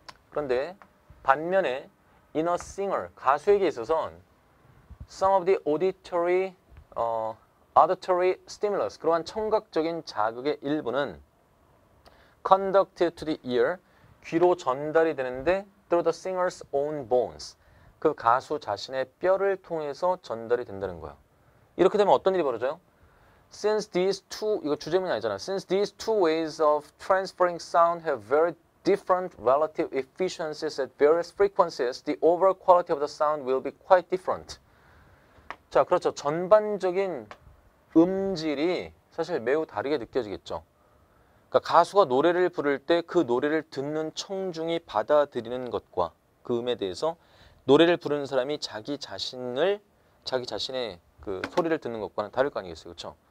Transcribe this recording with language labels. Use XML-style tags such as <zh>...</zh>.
<ko>그런데 반면에</ko> <en>in a singer,</en> <ko>가수에게 있어서는</ko> <en>some of the auditory auditory stimulus,</en> <ko>그러한 청각적인 자극의 일부는</ko> <en>conducted to the ear,</en> <ko>귀로 전달이 되는데</ko> <en>through the singer's own bones,</en> <ko>그 가수 자신의 뼈를 통해서 전달이 된다는 거야. 이렇게 되면 어떤 일이 벌어져요?</ko> <en>Since these two,</en> <ko>이거 주제문이 아니잖아.</ko> <en>Since these two ways of transferring sound have very different relative efficiencies at various frequencies, the overall quality of the sound will be quite different.</en> <ko>자, 그렇죠. 전반적인 음질이 사실 매우 다르게 느껴지겠죠. 그러니까 가수가 노래를 부를 때 그 노래를 듣는 청중이 받아들이는 것과 그 음에 대해서 노래를 부르는 사람이 자기 자신의 그 소리를 듣는 것과는 다를 거 아니겠어요. 그렇죠?</ko>